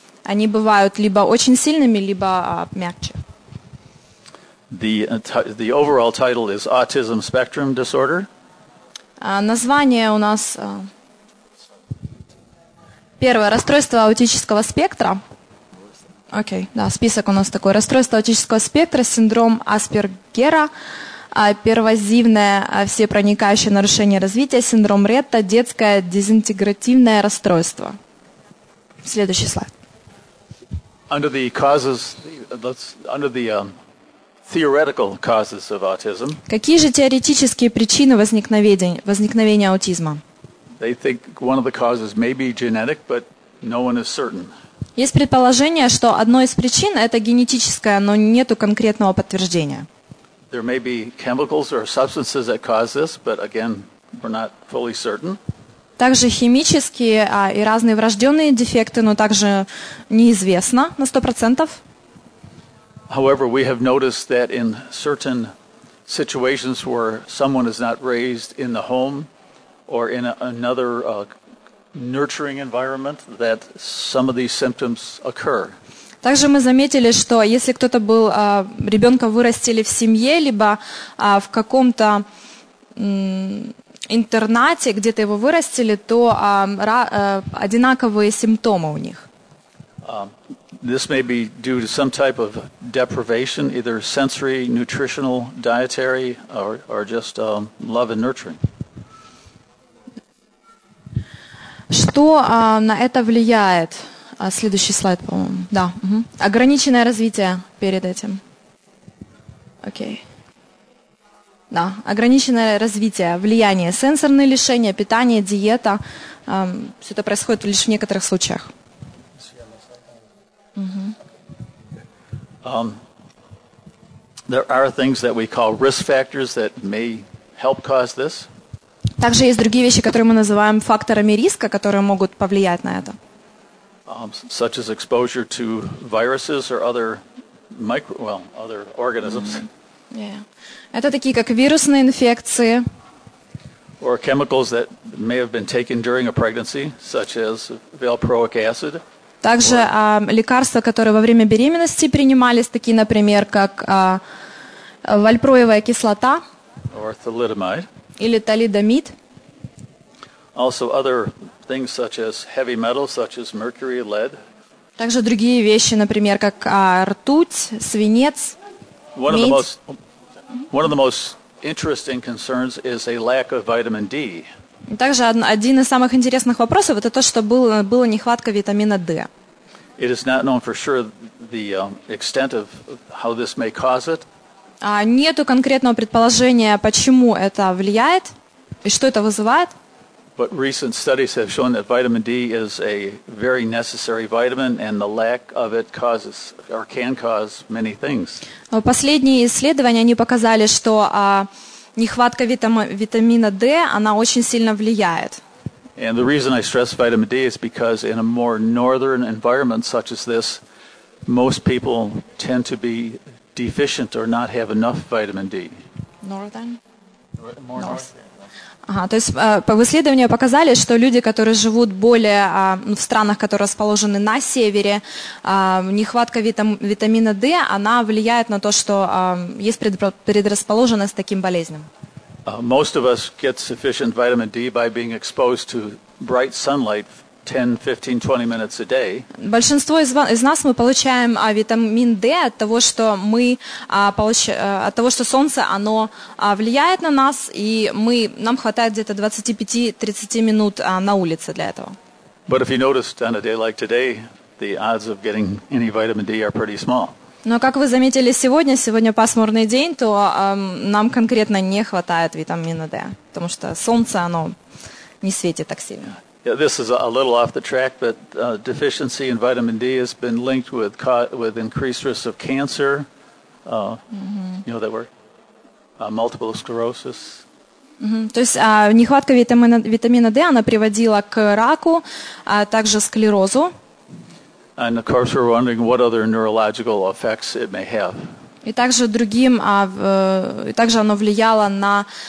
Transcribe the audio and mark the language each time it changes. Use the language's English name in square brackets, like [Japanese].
[Russian] Они бывают либо очень сильными, либо мягче. [English] The overall title is Autism Spectrum Disorder. [Russian] название у нас первое – расстройство аутического спектра. Окей, да, список у нас такой. Расстройство аутического спектра, синдром Аспергера, первозивное всепроникающее нарушение развития, синдром Ретта, детское дезинтегративное расстройство. Следующий слайд. [English] Under the causes, under the theoretical causes of autism. [Russian] Какие же теоретические причины возникновения аутизма? [English] They think one of the causes may be genetic, but no one is certain. [Russian] Есть предположение, что одной из причин это генетическая, но нету конкретного подтверждения. [English] There may be chemicals or substances that cause this, but again, we're not fully certain. [Russian] Также химические и разные врожденные дефекты, но также неизвестно на 100%. [English] However, we have noticed that in certain situations where someone is not raised in the home or in another nurturing environment, that some of these symptoms occur. [Russian] Также мы заметили, что если кто-то был ребенка вырастили в семье, либо в каком-то интернате, где-то его вырастили, то одинаковые симптомы у них. [English] This may be due to some type of deprivation, either sensory, nutritional, dietary, or just love and nurturing. [Russian] Что на это влияет? Следующий слайд, по-моему. Да. Угу. Ограниченное развитие перед этим. Окей. Да, ограниченное развитие, влияние, сенсорные лишения, питание, диета. Все это происходит лишь в некоторых случаях. [English] There are things that we call risk factors that may help cause this. [Russian] Также есть другие вещи, которые мы называем факторами риска, которые могут повлиять на это. [English] Such as exposure to viruses or other other organisms. [Russian] Это такие как вирусные инфекции. [English] Or chemicals that may have been taken during a pregnancy, such as valproic acid. [Russian] Также лекарства, которые во время беременности принимались, такие, например, как вальпроевая кислота. [English] Or thalidomide. [Russian] Или талидомид. [English] Also other things such as heavy metals, such as mercury, lead. [Russian] Также другие вещи, например, как ртуть, свинец, [English] One [Russian] медь. [English] One of the most interesting concerns is a lack of vitamin D. [Russian] Также один из самых интересных вопросов это то, что была нехватка витамина D. [English] It is not known for sure the extent of how this may cause it. [Russian] Нету конкретного предположения, почему это влияет и что это вызывает. [English] But recent studies have shown that vitamin D is a very necessary vitamin, and the lack of it causes or can cause many things. [Russian] Последние исследования они показали, что нехватка витамина D она очень сильно влияет. [English] And the reason I stress vitamin D is because in a more northern environment such as this, most people tend to be deficient or not have enough vitamin D. Northern? More north. [Russian] Ага, то есть по исследованию показали, что люди, которые живут более в странах, которые расположены на севере, нехватка витамина D, она влияет на то, что есть предрасположенность к таким болезням. [English] Most of us get sufficient vitamin D by being exposed to bright sunlight 10, 15, 20 minutes a day. [Russian] Большинство из нас мы получаем витамин D от того, что мы от того, что солнце оно влияет на нас, и нам хватает где-то 25-30 минут на улице для этого. [English] But if you noticed on a day like today, the odds of getting any vitamin D are pretty small. [Russian] Но как вы заметили сегодня пасмурный день, то нам конкретно не хватает витамина D, потому что солнце оно не светит так сильно. [English] Yeah, this is a little off the track, but deficiency in vitamin D has been linked with increased risk of cancer. You know that word? Multiple sclerosis. [Russian] То есть нехватка витамина D она приводила к раку, а также склерозу. [English] And of course, we're wondering what other neurological effects it may have. [Russian] И также другим, и также оно влияло на